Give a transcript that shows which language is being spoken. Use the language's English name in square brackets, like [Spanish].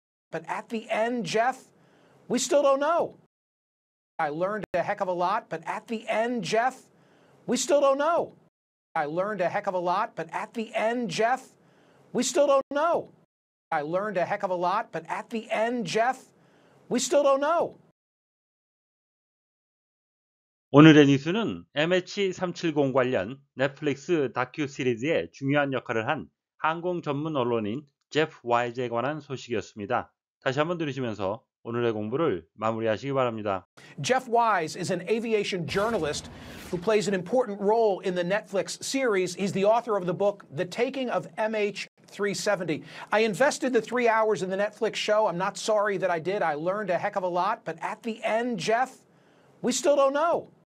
[English] But at the end, Jeff, we still don't know. I learned a heck of a lot. But at the end, Jeff, we still don't know. I learned a heck of a lot. But at the end, Jeff, we still don't know. I learned a heck of a lot. But at the end, Jeff, we still don't know. [Korean] 오늘의 뉴스는 MH370 관련 넷플릭스 다큐 시리즈에 중요한 역할을 한 항공 전문 언론인 제프 와이즈에 관한 소식이었습니다. 다시 한번 들으시면서 오늘의 공부를 마무리하시기 바랍니다. [English] Jeff Wise is an aviation journalist who plays an important role in the Netflix series. He's the author of the book The Taking of MH370. I invested the 3 hours in the Netflix show. I'm not sorry that I did. I learned a heck of a lot. But at the end, Jeff, we still don't know.